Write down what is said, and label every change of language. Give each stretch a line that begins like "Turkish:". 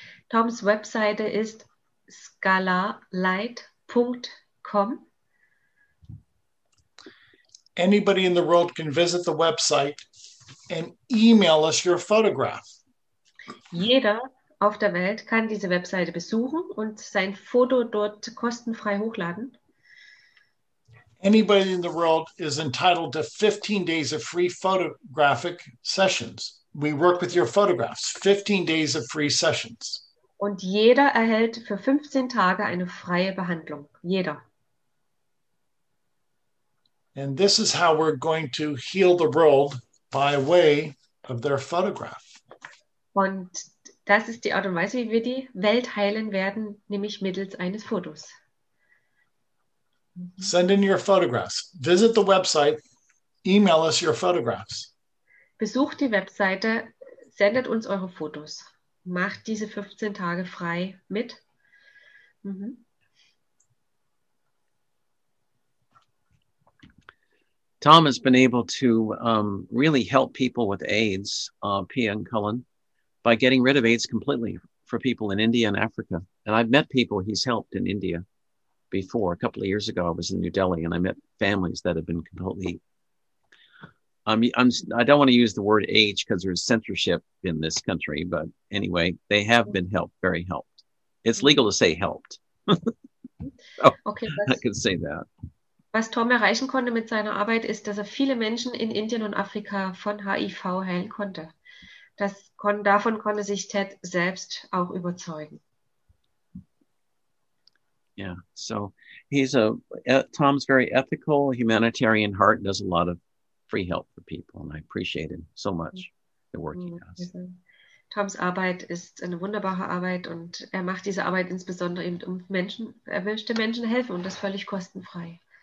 German: Tom's Webseite ist scalarlight.com.
English: Anybody in the world can visit the website and email us your photograph.
German: Jeder auf der Welt kann diese Webseite besuchen und sein Foto dort kostenfrei hochladen.
English: Anybody in the world is entitled to 15 days of free photographic sessions. We work with your photographs. 15 days of free sessions.
German: Und jeder erhält für 15 Tage eine freie Behandlung. Jeder.
English: And this is how we're going to heal the world by way of their photograph.
German: Und das ist die Art und Weise, wie wir die Welt heilen werden, nämlich mittels eines Fotos.
English: Send in your photographs. Visit the website. Email us your photographs.
German: Besucht die Webseite. Sendet uns eure Fotos. Macht diese 15 Tage frei mit.
English: Tom has been able to really help people with AIDS, P.N. Cullen, by getting rid of AIDS completely for people in India and Africa. And I've met people he's helped in India before. A couple of years ago, I was in New Delhi and I met families that have been completely, I don't want to use the word age because there's censorship in this country, but anyway, they have been helped, very helped. It's legal to say helped. I can say that.
German: Was Tom erreichen konnte mit seiner Arbeit, ist, dass er viele Menschen in Indien und Afrika von HIV heilen konnte. Davon konnte sich Ted selbst auch überzeugen.
English: Yeah, so he's Tom's very ethical, humanitarian heart, does a lot of free help for people, and I appreciate him so much, the work he does.
German: Toms Arbeit ist eine wunderbare Arbeit und er macht diese Arbeit insbesondere eben um Menschen, er möchte Menschen helfen und das völlig kostenfrei.